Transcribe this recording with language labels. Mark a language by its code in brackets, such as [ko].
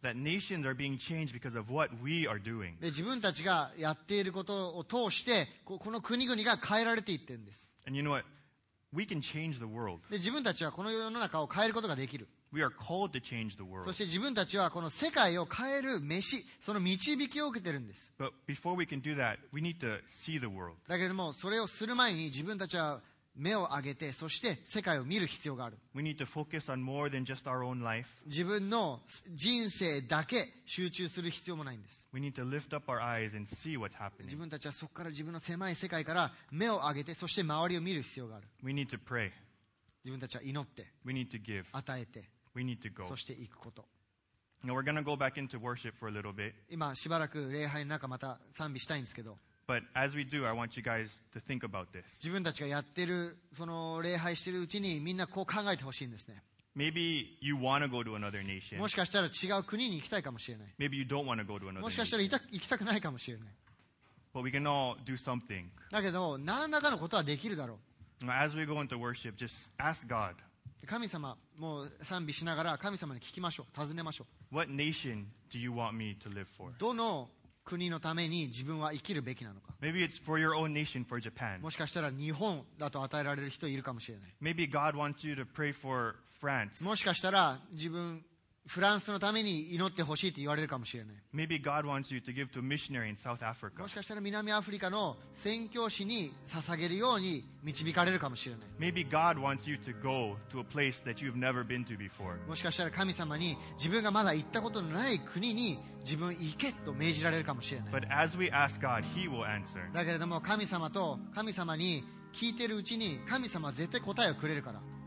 [en] That nations are being changed because of what we are doing. [ja] で、自分たちがやっていることを通して、この国々が変えられていってるんです。 [en] And you know what? We can change the world. [ja] で、自分たちはこの世の中を変えることができる。 [en] We are called to change the world. [ja] そして自分たちはこの世界を変える飯、その導きを受けてるんです。 [en] But before we can do that, we need to see the world. [ja] だけれども、それをする前に自分たちは目を上げて、そして世界を見る必要がある。 [en] We need to focus on more than just our own life. [ja] 自分の人生だけ集中する必要もないんです。 [en] We need to lift up our eyes and see what's happening. [ja] 自分たちはそこから自分の狭い世界から目を上げて、そして周りを見る必要がある。 [en] We need to pray. [ja] 自分たちは祈って。 [en] We need to give. [ja] 与えて。 [en] We need to go. [ja] そして行くこと。 [en] Now we're gonna go back into worship for a little bit. [ja] 今しばらく礼拝の中また賛美したいんですけど。 [en] But as we do, I want you guys to think about this. [ja] 自分たちがやってるその礼拝してるうちにみんなこう考えてほしいんですね。 [en] Maybe you wanna go to another nation. [ja] もしかしたら違う国に行きたいかもしれない。 [en] Maybe you don't wanna go to another nation. [ja] もしかしたら行きたくないかもしれない。 [en] But we can all do something. [ja] だけど何らかのことはできるだろう。 [en] Now as we go into worship, just ask God. [ja] 神様も賛美しながら神様に聞きましょう、尋ねましょう。 [en] What nation do you want me to live for? [ja] どの国のために自分は生きるべきなのか。 [en] Maybe it's for your own nation, for Japan. [ja] もしかしたら日本だと与えられる人いるかもしれない。 [en] Maybe God wants you to pray for France. [ja] もしかしたら自分フランスのために祈ってほしいって言われるかもしれない。 [en] Maybe God wants you to give to a missionary in South Africa. [ja] もしかしたら南アフリカの宣教師に捧げるように導かれるかもしれない。 [en] Maybe God wants you to go to a place that you've never been to before. [ja] もしかしたら神様に自分がまだ行ったことのない国に自分行けと命じられるかもしれない。 [en] But as we ask God, He will answer. [ja] だけれども神様に聞いてるうちに神様は絶対答えをくれるから。